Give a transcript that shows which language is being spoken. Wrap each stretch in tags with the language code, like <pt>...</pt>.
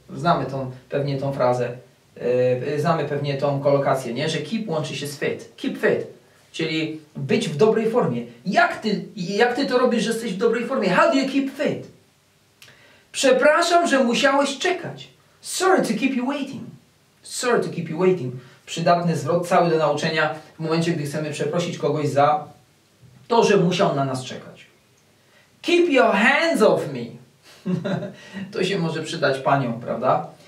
<pl>Znamy tą, pewnie tą frazę, znamy pewnie tą kolokację, nie? Że keep łączy się z fit.</pl> <en>Keep fit,</en> <pl>czyli być w dobrej formie. Jak ty to robisz, że jesteś w dobrej formie?</pl> <en>How do you keep fit?</en> <pl>Przepraszam, że musiałeś czekać.</pl> <en>Sorry to keep you waiting. Sorry to keep you waiting.</en> <pl>Przydatny zwrot cały do nauczenia w momencie, gdy chcemy przeprosić kogoś za to, że musiał na nas czekać.</pl> <en>Keep your hands off me.</en> <pl>To się może przydać paniom, prawda?</pl>